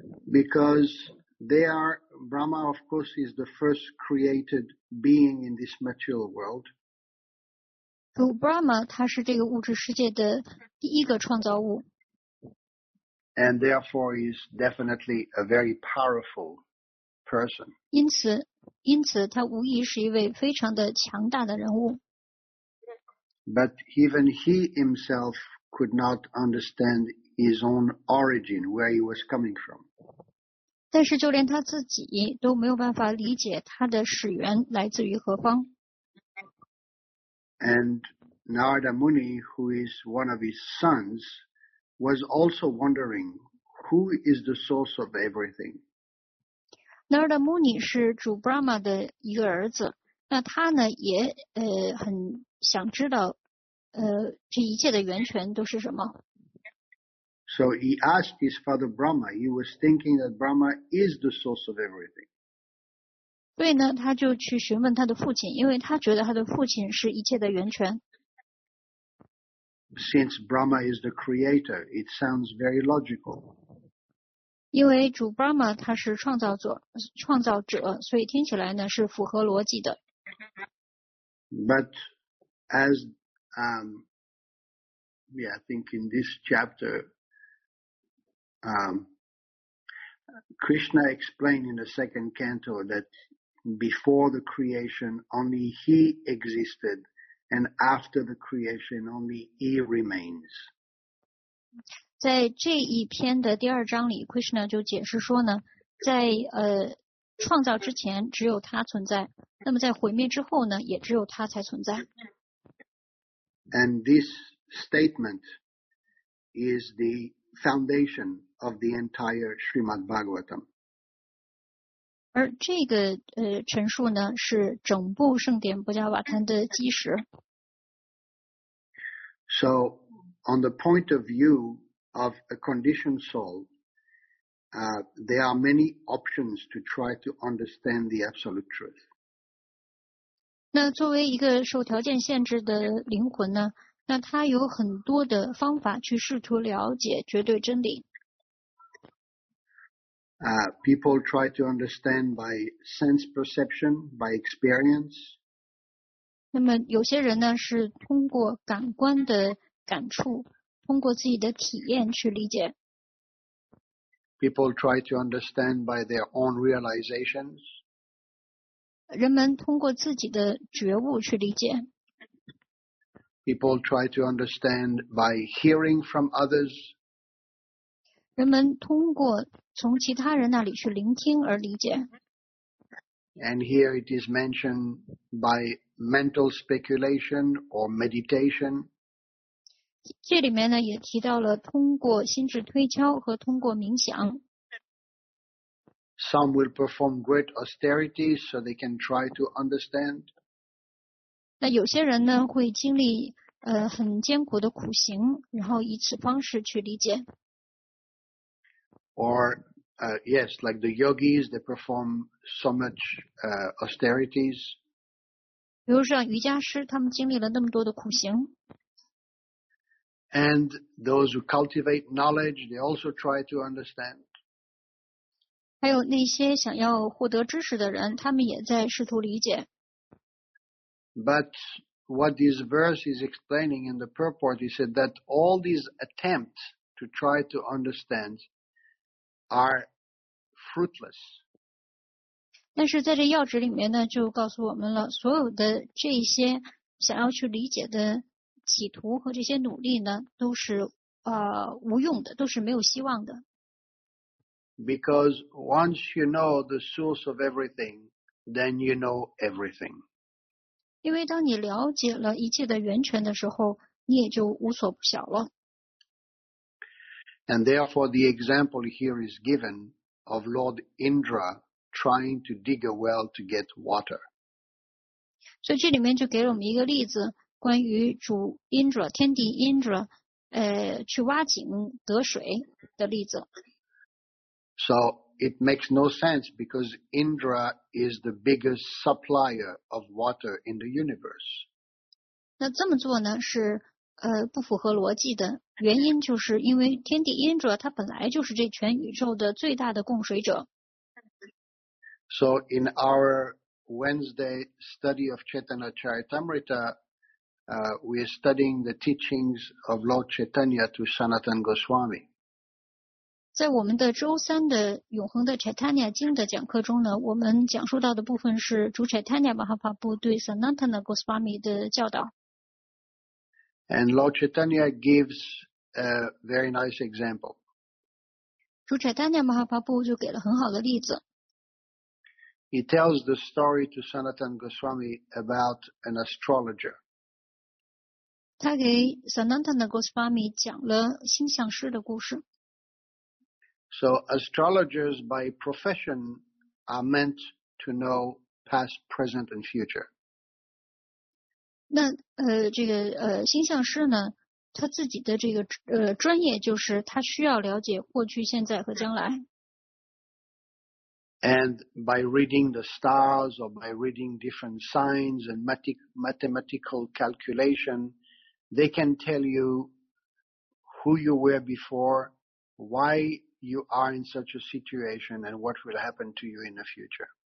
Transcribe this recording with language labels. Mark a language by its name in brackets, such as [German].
[English] Because they are Brahma, of course, is the first created being in this material world. [Chinese] 诸 Brahma 他是这个物质世界的第一个创造物。 [English] And therefore, is definitely a very powerful person. [Chinese] 因此他无疑是一位非常的强大的人物。 [English] But even he himself could not understand his own origin, where he was coming from. [Chinese] 但是就连他自己都没有办法理解他的始源来自于何方。 [English] And Narada Muni, who is one of his sons, was also wondering, who is the source of everything? [Chinese] Narada Muni 是主 Brahma 的一个儿子，那他呢也很想知道这一切的源泉都是什么。 [English] So he asked his father Brahma, he was thinking that Brahma is the source of everything. [Chinese] 对呢，他就去询问他的父亲，因为他觉得他的父亲是一切的源泉。 [English] Since Brahma is the creator, it sounds very logical. [Chinese] 因为主 Brahma 他是创造者，所以听起来呢是符合逻辑的。 [English] But as, yeah, I think in this chapter,Krishna explained in the second canto that before the creation only he existed and after the creation only he remains. [Chinese] 在这一篇的第二章里 Krishna 就解释说呢，在创造之前只有他存在，那么在毁灭之后呢也只有他才存在。 [English] And this statement is the foundation of the entire Srimad Bhagavatam. [Chinese] 而这个陈述呢是整部圣典不加瓦坦的基石。 [English] So, on the point of view of a conditioned soul, there are many options to try to understand the absolute truth. [Chinese] 那作为一个受条件限制的灵魂呢，那他有很多的方法去试图了解绝对真理。 [English] People try to understand by sense perception, by experience. [Chinese] 那么有些人呢是通过感官的感触，通过自己的体验去理解。 [English] People try to understand by their own realizations. [Chinese] 人们通过自己的觉悟去理解。 [English] People try to understand by hearing from others. [Chinese] 人们通过从其他人那里去聆听而理解。 [English] And here it is mentioned by mental speculation or meditation. [Chinese] 这里面呢也提到了通过心智推敲和通过冥想。 [English] Some will perform great austerities so they can try to understand. [Chinese] 那有些人呢会经历很艰苦的苦行，然后以此方式去理解。 [English] Or, yes, like the yogis, they perform so much austerities. [Chinese] 比如像瑜伽师，他们经历了那么多的苦行。 [English] And those who cultivate knowledge, they also try to understand. [Chinese] 还有那些想要获得知识的人，他们也在试图理解。 [English] But,What this verse is explaining in the purport, he said that all these attempts to try to understand are fruitless. [Chinese] 但是在这要旨里面呢，就告诉我们了，所有的这些想要去理解的企图和这些努力呢，都是无用的，都是没有希望的。 [English] Because once you know the source of everything, then you know everything. [Chinese] 因为当你了解了一切的源泉的时候，你也就无所不晓了。 [English] And therefore, the example here is given of Lord Indra trying to dig a well to get water. [Chinese] 所以这里面就给了我们一个例子，关于主 Indra 天帝 Indra 去挖井得水的例子。 [English] So. It makes no sense because Indra is the biggest supplier of water in the universe. [Chinese] 那这么做呢是不符合逻辑的，原因就是因为天帝 Indra 他本来就是这全宇宙的最大的供水者。 [English] So in our Wednesday study of Chaitanya Charitamrita, we are studying the teachings of Lord Chaitanya to Sanatan Goswami. [Chinese] 在我们的周三的永恒的 Chaitanya 经的讲课中呢，我们讲述到的部分是主 Chaitanya Mahaprabhu 对 Sanatana Goswami 的教导。 [English] And Lord Chaitanya gives a very nice example. [Chinese] 主宰丹娘马哈巴布就给了很好的例子。 [English] He tells the story to Sanatan Goswami about an astrologer. [Chinese] 他给 Sanatan Goswami 讲了星象师的故事。 [English] So astrologers by profession are meant to know past, present, and future. [Chinese] 那这个星象师呢，他自己的这个专业就是他需要了解过去、现在和将来。 [English] And by reading the stars or by reading different signs and mathematical calculation, they can tell you who you were before, why you are in such a situation, and what will happen to you in the future.